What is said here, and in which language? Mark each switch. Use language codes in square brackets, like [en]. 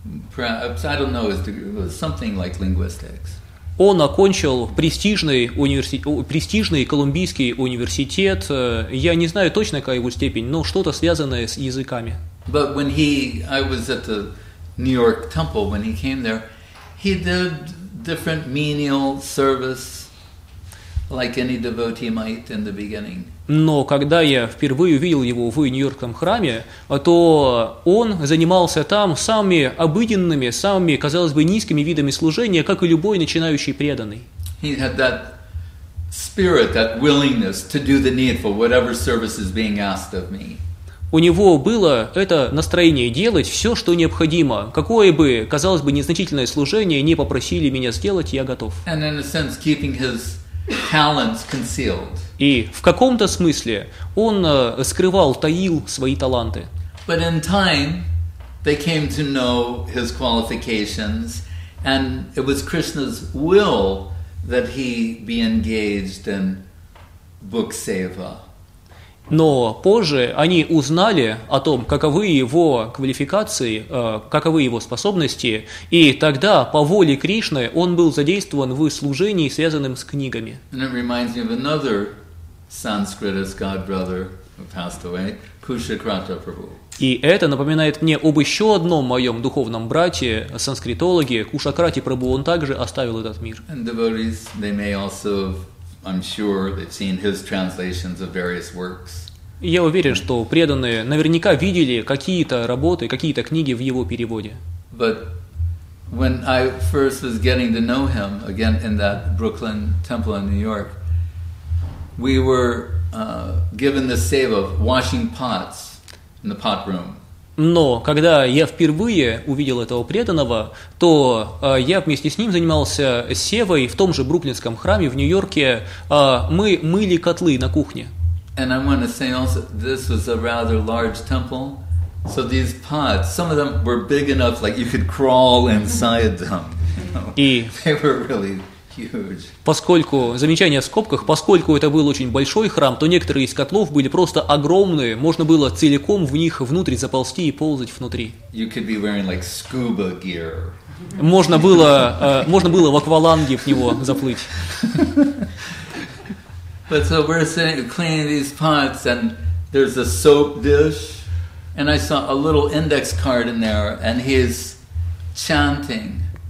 [en] Perhaps, I don't know his degree, it was something like linguistics. [ru] Он окончил престижный колумбийский университет. Я не знаю точно, какая его степень, но что-то связанное с языками. [en] But when he, I was at the New York Temple, when he came there, he did different menial service, like any devotee might in the beginning. [ru] Но когда я впервые увидел его в Нью-Йоркском храме, то он занимался там самыми обыденными, самыми, казалось бы, низкими видами служения, как и любой начинающий преданный. [en] He had that spirit, that willingness to do the needful, whatever service is being asked of me. [ru] У него было это настроение делать все, что необходимо. Какое бы, казалось бы, незначительное служение не попросили меня сделать, я готов. [en] And in a sense, keeping his talents concealed. [ru] И в каком-то смысле он скрывал, таил свои таланты. [en] But in time, they came to know his qualifications, and it was Krishna's will that he be engaged in book seva. [ru] Но позже они узнали о том, каковы его квалификации, каковы его способности, и тогда, по воле Кришны, он был задействован в служении, связанном с книгами. [en] And it reminds me of another Sanskritist godbrother who passed away, Kushakrata Prabhu. [ru] И это напоминает мне об еще одном моем духовном брате, санскритологе Кушакрати Прабу. Он также оставил этот мир. [en] And devotees, they may also I'm sure they've seen his translations of various works. [ru] Я уверен, что преданные наверняка видели какие-то работы, какие-то книги в его переводе. [en] But when I first was getting to know him again in that Brooklyn temple in New York, we were given the seva of washing pots in the pot room. [ru] Но когда я впервые увидел этого преданного, то я вместе с ним занимался севой в том же Бруклинском храме в Нью-Йорке. Мы мыли котлы на кухне. [en] And I want to say also, this was a rather large temple, so these pots, some of them were big enough, like you could crawl inside them. They were really huge. [ru] Поскольку, замечание в скобках, поскольку это был очень большой храм, то некоторые из котлов были просто огромные, можно было целиком в них внутрь заползти и ползать внутри. [en] You could be wearing like scuba gear. [ru] Можно было в акваланге в него заплыть. [en] But so we're sitting, cleaning these pots, and there's a soap dish, and I saw a little index card in there, and he's chanting.